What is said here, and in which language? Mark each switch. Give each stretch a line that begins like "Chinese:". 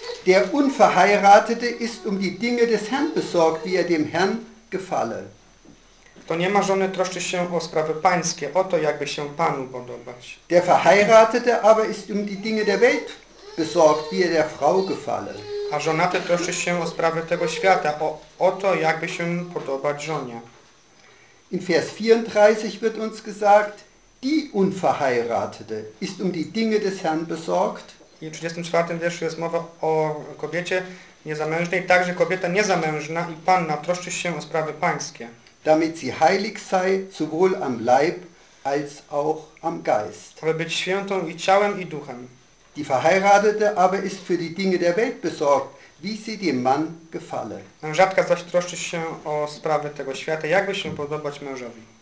German: Der Unverheiratete ist um die Dinge des Herrn besorgt, wie er dem Herrn gefalle.
Polish: Kto nie ma żony, troszczy się o sprawy pańskie, o to, jakby się Panu podobać.
German: Der Verheiratete aber ist um die Dinge der Welt besorgt, wie er der Frau gefalle.
Polish: A żonaty troszczy się o sprawy tego świata, o to, jakby się podobać żonie.
German: In Vers 34 wird uns gesagt, die Unverheiratete ist um die Dinge des Herrn besorgt.
Polish: I w 34. wierszu jest mowa o kobiecie niezamężnej, także kobieta niezamężna i panna troszczy się o sprawy pańskie.
German: Damit sie heilig sei, sowohl am Leib, als auch am Geist.
Polish: Aby być świętą i ciałem, i duchem.
German: Die Verheiratete aber ist für die Dinge der Welt besorgt, wie sie dem Mann gefalle.
Polish: Mężatka zaś troszczy się o sprawy tego świata, jakby się podobać mężowi.